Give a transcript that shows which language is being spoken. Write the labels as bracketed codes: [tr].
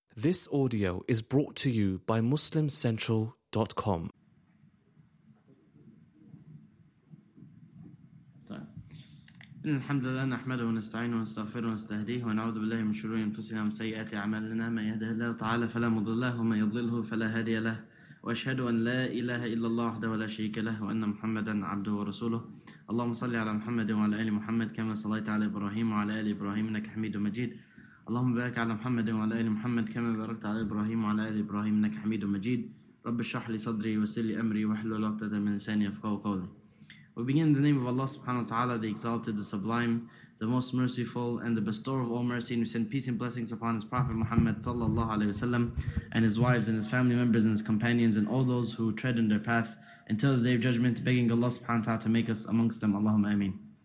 [en] This audio is brought to you by MuslimCentral.com. [ar] الحمد لله نحمده ونستعينه ونستغفره ونستهديه ونعوذ بالله من شرور أنفسنا ومن سيئات أعمالنا من يهده الله تعالى فلا مضل له ومن يضلله فلا هادي له وأشهد أن لا إله إلا الله وحده لا شريك له وأن محمدا عبده ورسوله اللهم صل على محمد وعلى آل محمد كما صليت على إبراهيم وعلى آل إبراهيم إنك حميد مجيد اللهم بارك على محمد وعلى آل محمد كما باركت على إبراهيم وعلى آل إبراهيم إنك حميد مجيد رب اشرح لي صدري ويسر لي أمري واحلل عقدة من لساني يفقهوا قولي. [en] We begin in the name of Allah subhanahu wa ta'ala, the exalted, the sublime, the most merciful, and the bestower of all mercy, and we send peace and blessings upon His Prophet Muhammad sallallahu alayhi wa sallam, and his wives, and his family members, and his companions, and all those who tread in their path until the day of judgment, begging Allah subhanahu wa ta'ala to make us amongst them. Allahumma ameen.